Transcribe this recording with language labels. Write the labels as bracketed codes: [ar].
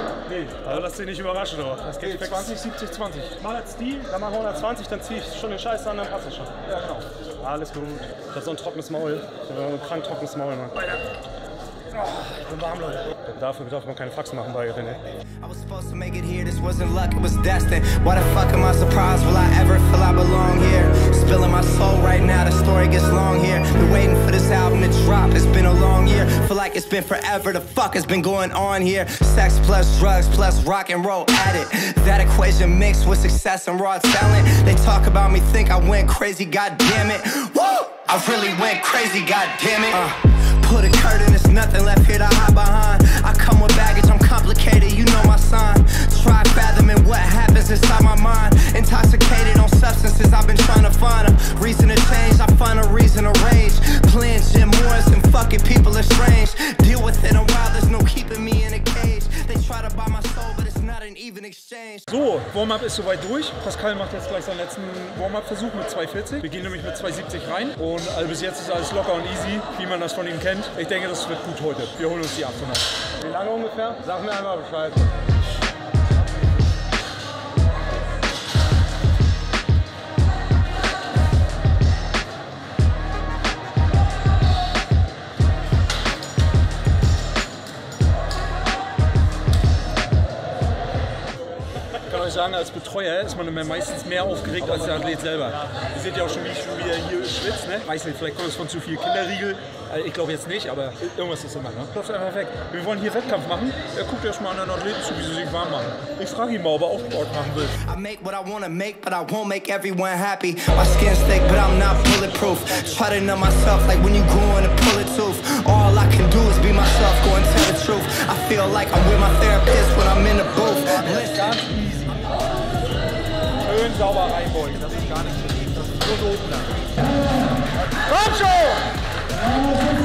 [de] Nee. Also lass dich nicht überraschen, oder? Das geht 20, 70, 20. Mach jetzt die, dann mach 120, dann zieh ich schon den Scheiß an, dann passt das schon. Ja, genau. Alles gut. Ich hab so ein trockenes Maul. Ich hab so ein krank trockenes Maul, Mann. Ich bin warm, Leute. Dafür darf man keine Faxen machen bei René. [en] I was supposed to make it here, this wasn't luck, it was destined. Why the fuck am I surprised, will I ever feel I belong here? Spilling my soul right now, the story gets long here. Been waiting for this album to drop, it's been a long year. Feel like it's been forever, the fuck has been going on here. Sex plus drugs plus rock and roll edit. That equation mixed with success and raw talent. They talk about me, think I went crazy, goddammit. Woo! I really went crazy, goddammit. Put a curtain, there's nothing left here to hide behind. I come with baggage, I'm complicated, you know my sign. Try fathoming what happens inside my mind. Intoxicated on substances, I've been trying to find a reason to change, I find a reason to rage. Plans, Jim Morrison, fuck it, people are strange. Deal with it a while, there's no keeping me in a cage. They try to buy my soul, but it's not an even exchange. [de] So, Warm-up ist soweit durch. Pascal macht jetzt gleich seinen letzten Warm-up-Versuch mit 2,40. Wir gehen nämlich mit 2,70 rein. Und also bis jetzt ist alles locker und easy, wie man das von ihm kennt. Ich denke, das wird gut heute. Wir holen uns die 800. Wie lange ungefähr? Sag mir einmal Bescheid. Sagen, als Betreuer ist man meistens mehr aufgeregt als der Athlet selber. Ihr seht ja auch schon, wie ich schon wieder hier schwitze. Ne? Weiß nicht, vielleicht kommt es von zu viel Kinderriegel. Ich glaube jetzt nicht, aber irgendwas ist immer. Läuft einfach weg. Wir wollen hier Wettkampf machen. Er guckt erstmal an den Athleten zu, wie sie sich warm machen. Ich frage ihn mal, ob er auch Sport machen will. [en] I make what I wanna make, but I won't make everyone happy. My skin's thick, but I'm not bulletproof. Try to numb myself like when you grow in a pulled tooth. All I can do is be myself, go and tell the truth. I feel like I'm with my therapist when I'm in the booth. [de] Schön sauber reinbeugen, das ist gar nicht beliebt, das ist nur so oben lang.